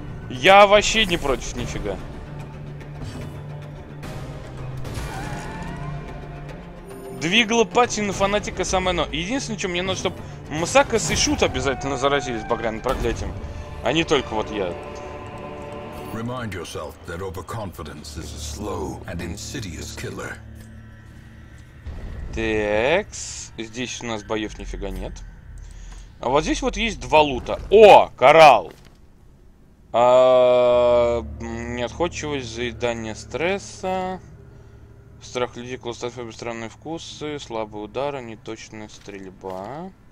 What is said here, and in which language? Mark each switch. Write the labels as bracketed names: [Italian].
[Russian] Я вообще не против нифига. Двигло пати на фанатика Самэно. Единственное, что мне надо, чтобы Мусакас и Шут обязательно заразились багряным проклятием. А не только вот я. [English] Remind yourself that overconfidence is a slow and insidious killer. [Russian] Текс. Здесь у нас боев нифига нет. А вот здесь вот есть два лута. О, коралл. Неотходчивость, заедание стресса. Страх людей, клаустрофобия, странные вкусы, слабые удары, неточная стрельба.